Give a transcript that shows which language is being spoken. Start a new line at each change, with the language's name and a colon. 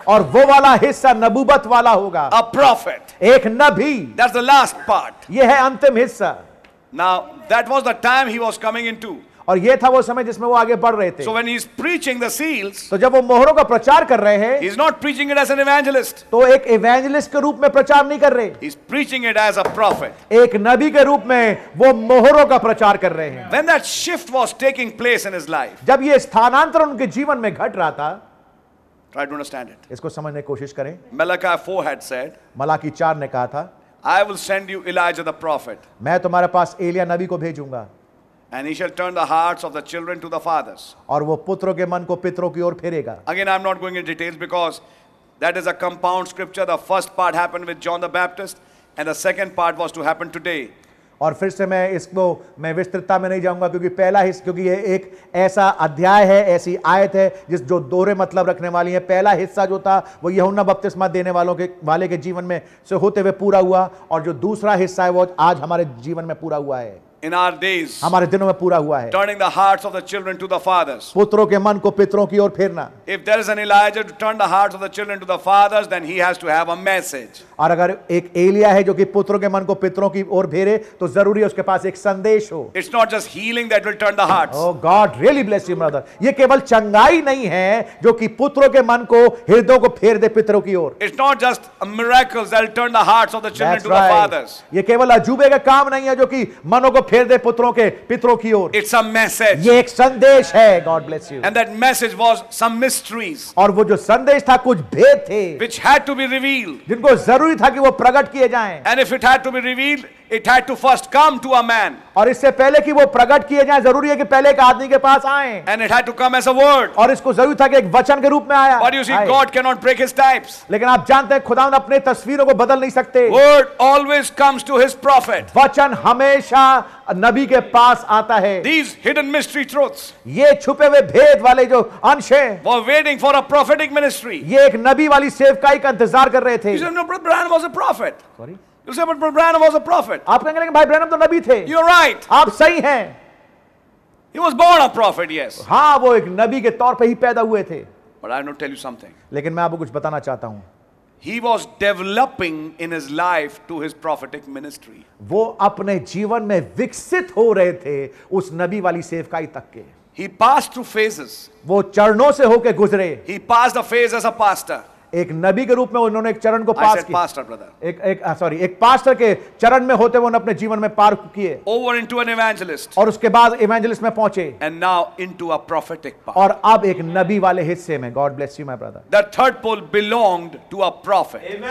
Hindi: और वो वाला हिस्सा नबूवत वाला होगा.
English: A prophet.
Hindi: एक नबी.
English: That's the last part.
Hindi: ये है अंतिम हिस्सा.
English: Now that was the time he was coming into.
Hindi: और ये था वो समय जिसमें वो आगे बढ़ रहे थे.
English: So when he's preaching the seals,
Hindi: तो जब वो मोहरों का प्रचार कर रहे हैं,
English: he's not preaching it as an evangelist.
Hindi: तो एक evangelist के रूप में प्रचार नहीं कर रहे.
English: He's preaching it as a prophet.
Hindi: एक नबी के रूप में वो मोहरों का प्रचार कर रहे हैं.
English: When that shift was taking place in his life,
Hindi: जब ये स्थानांतरण उनके जीवन में घट रहा था,
English: try to understand it.
Hindi: इसको समझने की कोशिश करें.
English: Malachi 4 had said,
Hindi: मलाकी 4 ने कहा था,
English: I will send you Elijah the prophet.
Hindi: मैं तुम्हारे पास एलिया नबी को भेजूंगा.
English: And he shall turn the hearts of the children to the fathers.
Hindi: और वो पुत्रों के मन को पितरों की ओर फेरेगा.
English: Again, I'm not going into details because that is a compound scripture. The first part happened with John the Baptist, and the second part was to happen today.
Hindi: और फिर से मैं इसको मैं विस्तृतता में नहीं जाऊंगा क्योंकि पहला हिस्सा क्योंकि ये एक ऐसा अध्याय है ऐसी आयत है जिस जो दोहरे मतलब रखने वाली है. पहला हिस्सा जो था वो यूहन्ना बपतिस्मा देने वालों के वाले के जीवन में से होते हुए पूरा हुआ और जो दूसरा हिस्सा है वो आज हमारे जीवन में पूरा हुआ है.
English: In our days,
Hindi: हमारे दिनों में पूरा हुआ है.
English: Turning the hearts of the children to the fathers.
Hindi: पुत्रों के मन को पितरों की ओर फेरना.
English: If there is an Elijah to turn the hearts of the children to the fathers, then he has to have a message.
Hindi: और अगर एक एलिया है जो कि पुत्रों के मन को पितरों की ओर फेरे तो जरूरी है उसके पास एक संदेश हो.
English: It's not just healing that will turn the hearts. Oh God, really bless you, brother.
Hindi: ये केवल चंगाई नहीं है जो कि पुत्रों के मन को हृदयों को फेर दे पितरों की ओर.
English: It's not just miracles that will turn the hearts of the children That's right. to the fathers.
Hindi: ये केवल अजूबे का काम नहीं है जो कि मनों को फेर दे पुत्रों के पितरों की ओर.
English: It's a message.
Hindi: ये एक संदेश है.
English: God bless you. And that message was some mysteries.
Hindi: और वो जो संदेश था कुछ भेद थे.
English: Which had to be revealed.
Hindi: जिनको जरूरी था कि वो प्रकट किए जाएं.
English: And if it had to be revealed, it had to first come to a man.
Hindi: और इससे पहले कि वो प्रकट किए जाएं, जरूरी है कि पहले एक आदमी के पास आएं.
English: And it had to come as a word.
Hindi: और इसको जरूरी था कि एक वचन के रूप में आया.
English: But you see, God cannot break his types.
Hindi: लेकिन आप जानते हैं, खुदावन अपने तस्वीरों को बदल नहीं सकते.
English: Word always comes to his prophet.
Hindi: वचन हमेशा नबी के पास आता है.
English: These hidden mystery truths.
Hindi: ये छुपे हुए भेद वाले जो अंश हैं.
English: Were waiting for a prophetic ministry.
Hindi: ये एक नबी वाली सेवकाई का इंतजार कर रहे थे.
English: You said, no, Brother Branham was a prophet. Sorry. You said, but Brother Branham was a prophet.
Hindi: आप कहेंगे कि भाई ब्रैनम तो नबी थे.
English: You're right.
Hindi: आप सही हैं.
English: He was born a prophet, yes.
Hindi: हाँ, वो एक नबी के तौर पे ही पैदा हुए थे.
English: But I don't tell you something.
Hindi: लेकिन मैं आपको कुछ बताना चाहता हूँ.
English: He was developing in his life to his prophetic ministry.
Hindi: वो अपने जीवन में विकसित हो रहे थे उस नबी वाली सेवकाई तक के.
English: He passed through phases.
Hindi: वो चरणों से होके गुजरे.
English: He passed the phase as a pastor.
Hindi: एक नबी के रूप में उन्होंने एक चरण को पास किया.
English: Pastor brother.
Hindi: एक पास्टर के चरण में होते हुए उन्होंने अपने जीवन में पार किए.
English: Over into an evangelist.
Hindi: और उसके बाद इवेंजलिस्ट में पहुंचे.
English: And now into a prophetic part.
Hindi: और अब एक नबी वाले हिस्से में.
English: God bless you my brother. The third pole belonged to a prophet.